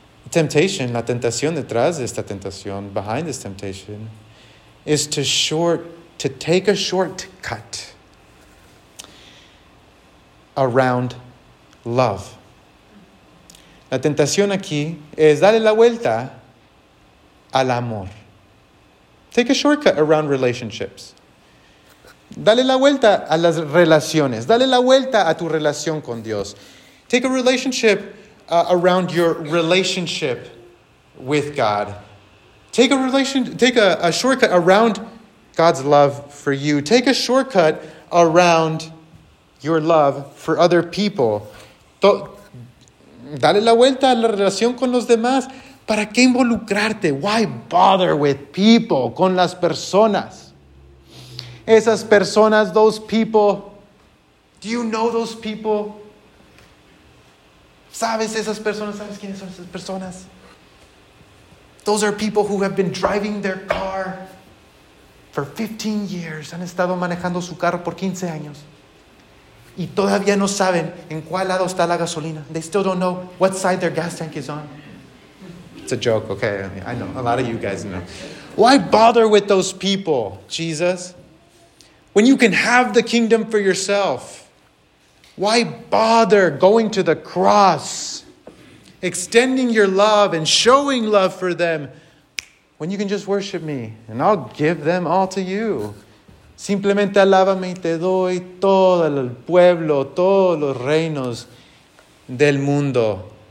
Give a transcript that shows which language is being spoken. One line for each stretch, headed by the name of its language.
English: Temptation,
Spanish: la tentación detrás de esta tentación,
English: behind this temptation, is to take a shortcut around love.
Spanish: La tentación aquí es darle la vuelta al amor.
English: Take a shortcut around relationships.
Spanish: Dale la vuelta a las relaciones. Dale la vuelta a tu relación con Dios.
English: Take a relationship around your relationship with God. Take a shortcut around God's love for you. Take a shortcut around your love for other people.
Spanish: Dale la vuelta a la relación con los demás. ¿Para qué involucrarte?
English: Why bother with people?
Spanish: Con las personas. Esas personas,
English: those people. Do you know those people?
Spanish: ¿Sabes esas personas? ¿Sabes quiénes son esas personas?
English: Those are people who have been driving their car for 15 years.
Spanish: Han estado manejando su carro por 15 años. Y todavía no saben en cuál lado está la gasolina.
English: They still don't know what side their gas tank is on. It's a joke, okay? I know, a lot of you guys know. Why bother with those people, Jesus? When you can have the kingdom for yourself, why bother going to the cross, extending your love and showing love for them when you can just worship me and I'll give them all to you?
Spanish: Simplemente alábame y te doy todo el pueblo, todos los reinos del mundo.